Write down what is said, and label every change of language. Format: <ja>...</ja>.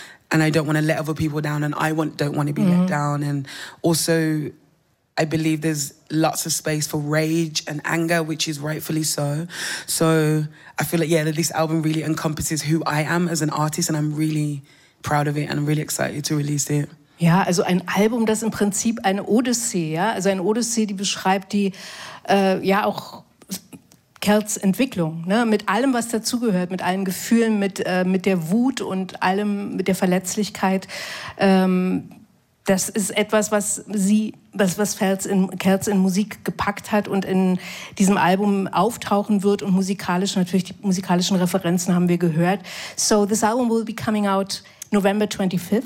<en>And I don't want to let other people down, and I don't want to be let down. And also, I believe there's lots of space for rage and anger, which is rightfully so. So I feel like, yeah, that this album really encompasses who I am as an artist, and I'm really proud of it and I'm really excited to release it.</en> <de>Ja, also ein Album, das im Prinzip eine Odyssee, ja, also eine Odyssee, die beschreibt die, ja, auch Kels Entwicklung, ne, mit allem, was dazugehört, mit allen Gefühlen, mit der Wut und allem, mit der Verletzlichkeit. Das ist etwas, was Kels in Musik gepackt hat und in diesem Album auftauchen wird, und musikalisch, natürlich die musikalischen Referenzen haben wir gehört.</de> <en>So this album will be coming out November 25th.</en>